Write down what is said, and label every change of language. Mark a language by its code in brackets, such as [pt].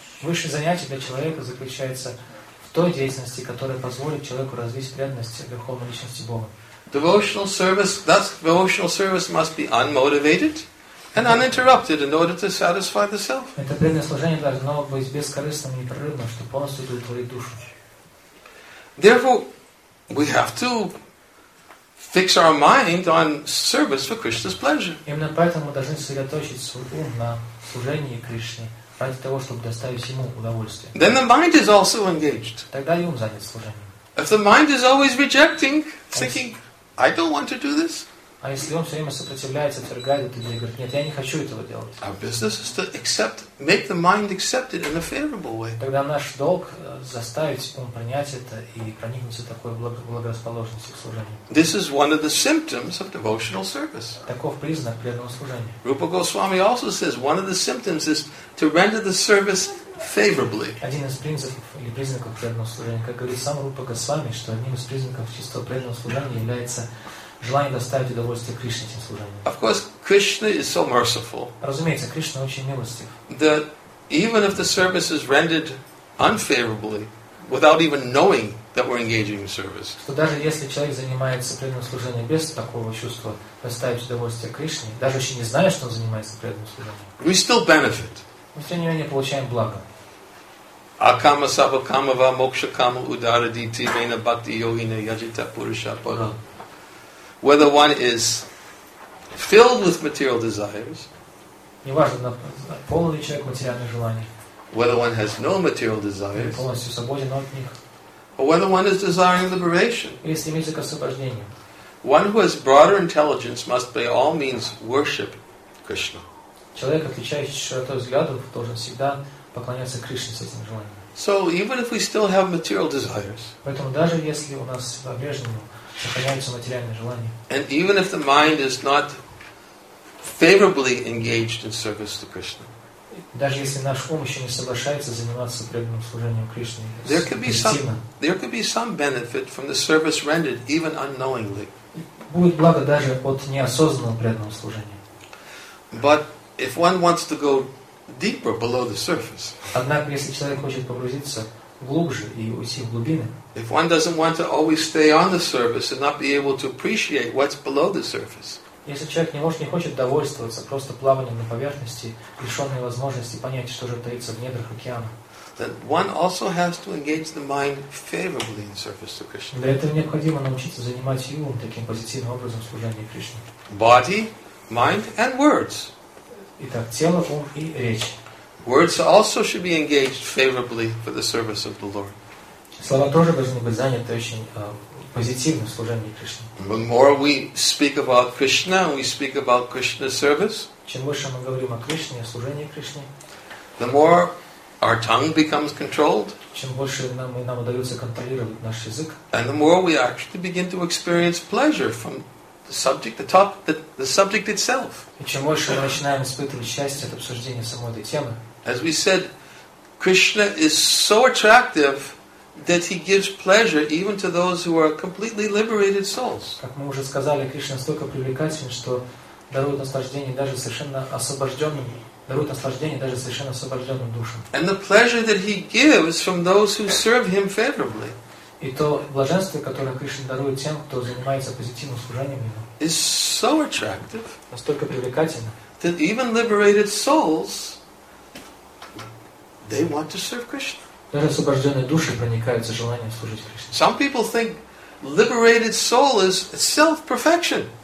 [ru] Высшее занятие для человека заключается в той деятельности, которая позволит человеку развить преданность Верховной Личности Бога. [en] Devotional service, thus devotional service must be unmotivated and uninterrupted in order to satisfy the self. [ru] Это преданное служение должно быть бескорыстным и непрерывным, чтобы полностью удовлетворить душу. [en] Therefore, we have to fix our mind on service for Krishna's pleasure. [ru] Именно поэтому мы должны сосредоточить свой ум на служении Кришне ради того, чтобы доставить ему удовольствие. [en] Then the mind is also engaged. [ru] Тогда и ум занят служением. [en] If the mind is always rejecting, thinking, I don't want to do this. [ru] А если ум все время сопротивляется, отвергает это, говорит, нет, я не хочу этого делать. [en] Our business is to accept, make the mind accept it in a favorable way. [ru] Тогда наш долг заставить ум принять это и проникнуться такой благорасположенностью к служению. [en] This is one of the symptoms of devotional service. [ru] Таков признак преданного служения. [en] Rupa Goswami also says one of the symptoms is to render the service favorably. [ru] Один из принципов или признаков преданного служения, как говорит сам Рупа Госвами, что одним из признаков чистого преданного служения является желание доставить удовольствие Кришне этим служением. [en] Of course, Krishna is so merciful. [ru] Разумеется, Кришна очень милостив. [en] That even if the service is rendered unfavorably, without even knowing that we're engaging in service. [ru] Что даже если человек занимается преданным служением без такого чувства доставить удовольствие Кришне, даже еще не зная, что он занимается преданным служением, [en] we still benefit. [ru] Мы тем не менее получаем благо. [sa] Акама сава камава мокша кама удара дити вейна бхакти йогина яджита пуруша пара. [en] Whether one is filled with material desires, [ru] неважно, полон ли человек материальных желаний, [en] whether one has no material desires, [ru] или полностью свободен от них, [en] or whether one is desiring liberation, [ru] или стремится к освобождению, [en] one who has broader intelligence must by all means worship Krishna. [ru] Человек, отличающийся широтой взглядов, должен всегда поклоняться Кришне с этим желанием. [en] So even if we still have material desires, [ru] поэтому даже если у нас по-прежнему сохраняются материальные желания, [en] and even if the mind is not favorably engaged in service to Krishna, [ru] даже если наш ум еще не соглашается заниматься преданным служением Кришне, [en] there could be some benefit from the service rendered even unknowingly. [ru] Будет благо даже от неосознанного преданного служения. [en] But if one wants to go deeper below the surface, [ru] однако если человек хочет погрузиться глубже и уйти в глубины, [en] if one doesn't want to always stay on the surface and not be able to appreciate what's below the surface, [ru] если человек не может, не хочет довольствоваться просто плаванием на поверхности, лишенной возможности понять, что же таится в недрах океана, [en] then one also has to engage the mind favorably in service to Krishna. [ru] Для этого необходимо научиться занимать ум таким позитивным образом в служении Кришне. [en] Body, mind, and words. [ru] Итак, тело, ум и речь. [en] Words also should be engaged favorably for the service of the Lord. [ru] Слова тоже должны быть заняты очень позитивным служением Кришне. [en] The more we speak about Krishna, we speak about Krishna's service. [ru] Чем больше мы говорим о Кришне, о служении Кришне, [en] the more our tongue becomes controlled. [ru] Чем больше нам удается контролировать наш язык, [en] and the more we actually begin to experience pleasure from the subject itself. [ru] И чем больше мы начинаем испытывать счастье от обсуждения самой этой темы. [en] As we said, Krishna is so attractive that he gives pleasure even to those who are completely liberated souls. [ru] Как мы уже сказали, Кришна настолько привлекателен, что дарует наслаждение даже совершенно освобожденным, дарует наслаждение даже совершенно освобожденным душам. [en] And the pleasure that he gives from those who serve him favorably. [ru] И то блаженство, которое Кришна дарует тем, кто занимается позитивным служением ему, [en] is so attractive, [ru] настолько привлекательно, [en] that even liberated souls, they want to serve Krishna. [ru] Даже освобожденные души проникаются желанием служить Кришне. [en] Some people think liberated soul is self-perfection.